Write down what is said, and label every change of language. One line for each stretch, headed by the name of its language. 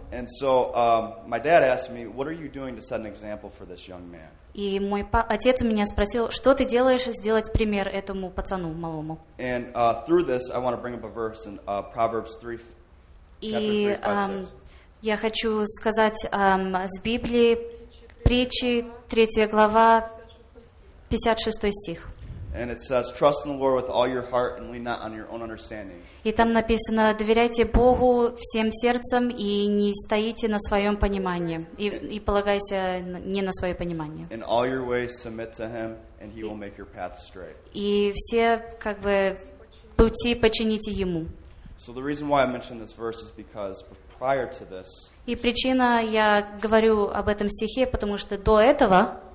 English: And so my dad asked me, "What are you doing to set an example for this young man?"
Russian: И мой отец у меня спросил, что ты делаешь, сделать пример этому пацану малому.
English: And through this, I want to bring up a verse in Proverbs 3, chapter 3, 5-6.
Russian: Я хочу сказать с Библии притчи, 3 глава, 56 стих.
English: And it says, "Trust in the Lord with all your heart, and lean not on your own understanding."
Russian: И там написано, доверяйте Богу всем сердцем и не стоите на своем понимании и полагайся не на свое понимание.
English: In all your ways submit to Him, and He will make your path straight.
Russian: И все как бы пути подчините Ему.
English: So the reason why I mention this verse is because prior to this.
Russian: И причина я говорю об этом стихе, потому что до этого.